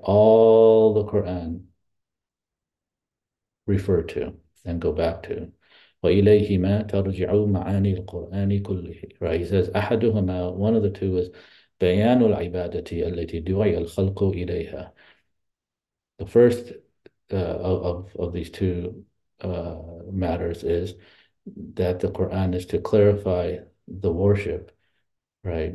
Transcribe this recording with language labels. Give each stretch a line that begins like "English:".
English: All the Quran refer to and go back to.
Arabic: وإليه ما ترجع معاني القرآن كله.
English: Right? He says,
Arabic: أحدهما,
English: one of the two is
Arabic: بيان العبادة التي دعي الخلق إليها.
English: The first of these two matters is that the Quran is to clarify the worship, right?